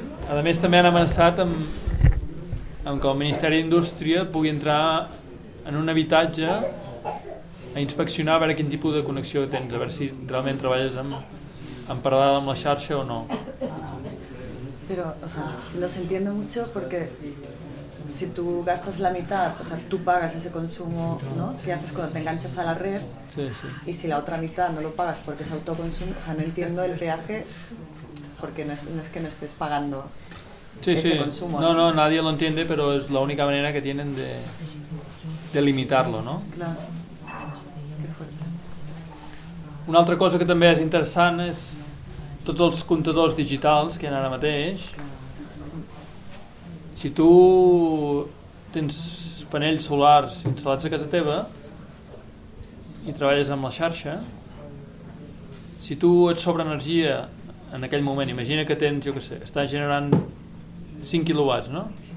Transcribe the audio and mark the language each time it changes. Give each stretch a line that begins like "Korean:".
Catalan: A més, també han amenaçat amb que el Ministeri d'Indústria pugui entrar en un habitatge a inspeccionar, a veure quin tipus de connexió tens, a veure si realment treballes en paral·lel amb la xarxa o no.
Spanish: Però, o sea, no se entiende mucho porque si tú gastas la mitad, o sea, tú pagas ese consumo, ¿no? ¿Qué haces cuando te enganchas a la red? Sí, sí. Y si la otra mitad no lo pagas porque es autoconsumo, o sea, no entiendo el peaje porque no es que no estés pagando, sí, ese, sí, consumo. No, no, nadie lo entiende, pero es la única manera que tienen de limitar-lo, no?
Catalan: Clar. Una altra cosa que també és interessant és tots els comptadors digitals que hi ha ara mateix. Si tu tens panells solars instal·lats a casa teva i treballes amb la xarxa, si tu et sobra energia en aquell moment, imagina que tens, jo què sé, estàs generant 5 kW, no?